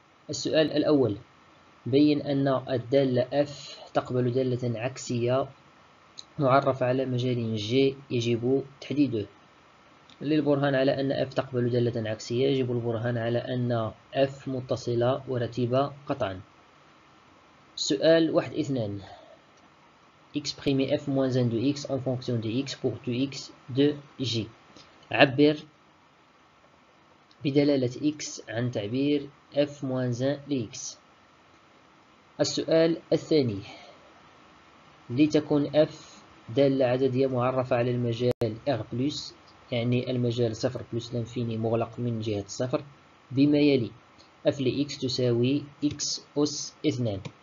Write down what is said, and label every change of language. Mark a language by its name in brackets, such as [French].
[Arabic] السؤال الأول، بين أن الدالة f تقبل دالة عكسية معرفة على مجال j يجب تحديده. للبرهان على أن f تقبل دالة عكسية يجب البرهان على أن f متصلة ورتيبة قطعا. [French] سؤال 1-2، exprimer f moins 1 de x en fonction de x pour du x de j. [Arabic] عبر بدلالة x عن تعبير f moins 1 لx. السؤال الثاني، لتكن f دالة عددية معرفة على المجال r plus يعني المجال 0 plus لانفيني مغلق من جهة 0 بما يلي f لx تساوي x أس 2.